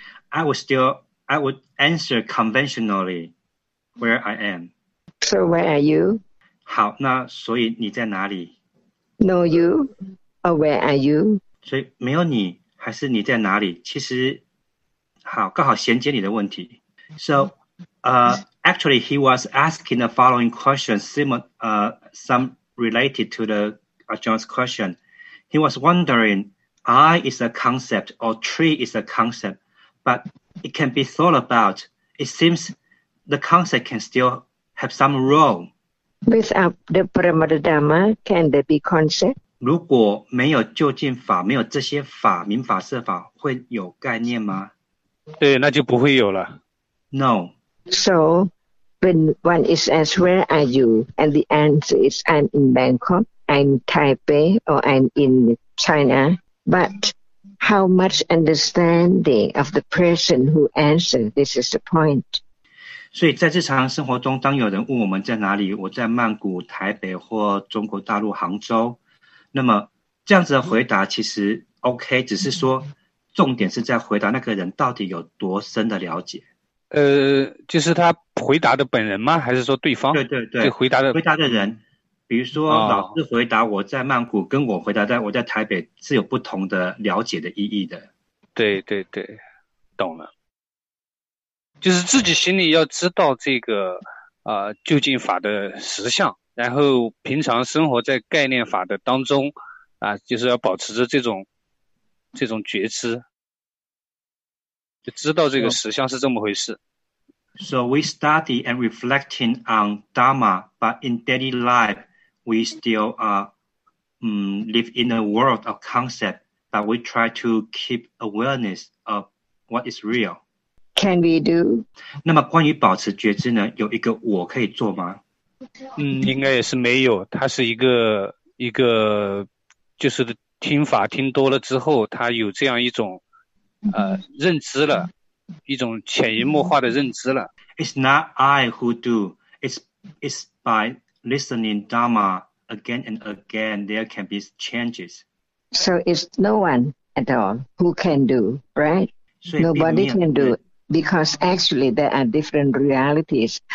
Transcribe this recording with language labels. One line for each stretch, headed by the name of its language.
English: I would answer conventionally, where I am. So where are you?
Chinese: 好，那所以你在哪里
English: ？Know you, or where are you?
Chinese: 所以没有你，还是你在哪里？其实，好，刚好衔接你的问题。
English: So, actually, he was asking the following question, similar, some related to the John's question. He was wondering, I is a concept or tree is a concept, but it can be thought about. It seems the concept can still have some role. Without the Paramadhamma, can there be concept?
Chinese: 如果没有究竟法，没有这些法，明法设法，会有概念吗？对，那就不会有了。
English: No. So, when one is asked, where are you? And the answer is, I'm in Bangkok, I'm Taipei, or I'm in China. But how much understanding of the person who answered, this is the point.
Chinese: 所以在日常生活中，当有人问我们在哪里，我在曼谷、台北或中国大陆杭州，那么这样子的回答其实 OK， 只是说重点是在回答那个人到底有多深的了解。就是他回答的本人吗？还是说对方？对对对，就回答的人，比如说老师回答我在曼谷，跟我回答在我在台北是有不同的了解的意义的。对对对，懂了。就是自己心里要知道这个究竟法的实相。然后平常生活在概念法的当中啊，就是要保持着这种觉知，就知道这个实相是这么回事。
English: So we study and reflecting on Dharma, but in daily life we still live in a world of concept, but we try to keep awareness of what is real. Can we do?
Chinese: 那么关于保持觉知呢，有一个我可以做吗？应该也是没有，他是一个就是听法听多了之后，他有这样一种认知了，一种潜移默化的认知了。
English: It's not I who do, it's by listening Dharma again and again there can be changes. So it's no one at all who can do, right? Nobody can do it. Because actually there are different realities.